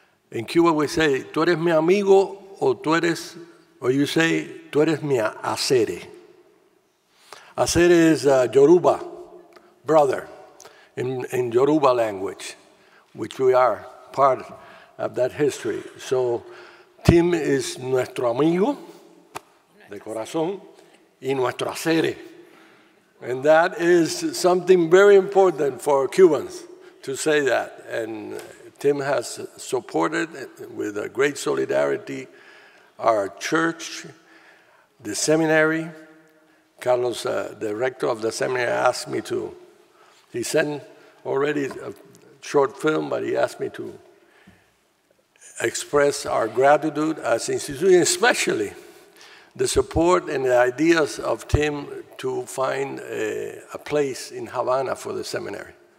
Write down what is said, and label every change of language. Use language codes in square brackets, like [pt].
[en] In Cuba we say, [es] "Tú eres mi amigo," [en] or you say, [es] "Tú eres mi acere." [en] Acere is Yoruba, brother, in Yoruba language, which we are part of that history. So Tim is [es] nuestro amigo de corazón y nuestro acere. [en] And that is something very important for Cubans to say that. And Tim has supported with a great solidarity our church, the seminary. Carlos, the rector of the seminary, asked me to. He sent already a short film, but he asked me to express our gratitude as institution, especially the support and the ideas of Tim to find a place in Havana for the seminary.